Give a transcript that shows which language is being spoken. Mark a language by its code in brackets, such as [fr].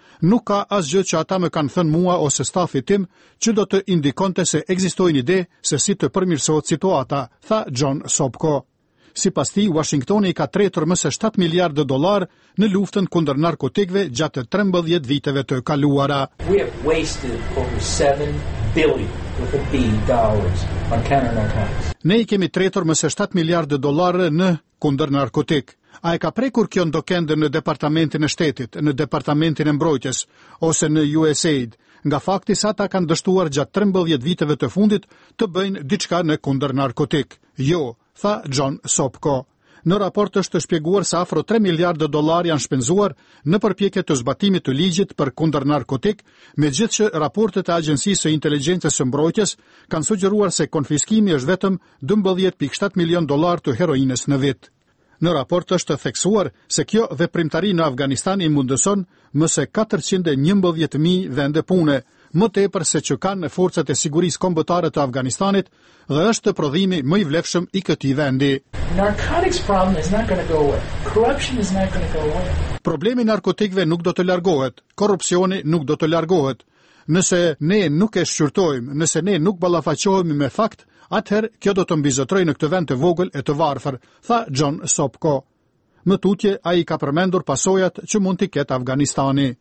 [sq] Nuk ka asgjë që ata më kanë thënë mua ose stafi tim që do të indikonte se ekzistojnë ide se si të përmirësohet situata," tha John Sopko. Si pas ti, Washingtoni ka tretur mëse 7 miliardë dolar në luftën kundër narkotikve gjatë 13 viteve të kaluara. [en] We have wasted over 7 billion with a B dollars on counter-narcotics. [sq] Ne i kemi tretur mëse 7 miliardë dolar në kundër narkotik. A e ka prekur kjo ndokende në departamentin e shtetit, në departamentin e mbrojtjes, ose në USAID, nga fakti sa ta kanë dështuar gjatë 13 viteve të fundit të bëjnë diçka në kundër narkotik? Jo, tha John Sopko. Në raport është shpjeguar se afro 3 miliardë dollar janë shpenzuar në përpjekje të zbatimit të ligjit për kundër narkotik, megjithëse raportet e Agjencisë së Inteligjencës së Mbrojtjes kanë sugjeruar se konfiskimi është vetëm 12.7 milion dollar të heroinës në vit. Në raport është theksuar se kjo veprimtari në Afganistan i mundëson mëse 411.000 vende pune, më tepër se që kanë në forcat e sigurisë kombëtare të Afganistanit dhe është prodhimi më i vlefshëm i këtij vendi. [en] Narcotics problem is not going to go away. Corruption is not going to go away. [sq] Problemi narkotikëve nuk do të largohet. Korrupsioni nuk do të largohet. Nëse ne nuk e shqyrtojmë, nëse ne nuk ballafaqohemi me fakt, atëherë kjo do të mbizotrojë në këtë vend të vogël e të varfër, tha John Sopko. Më tutje, a i ka përmendur pasojat që mund t'i ketë Afganistani.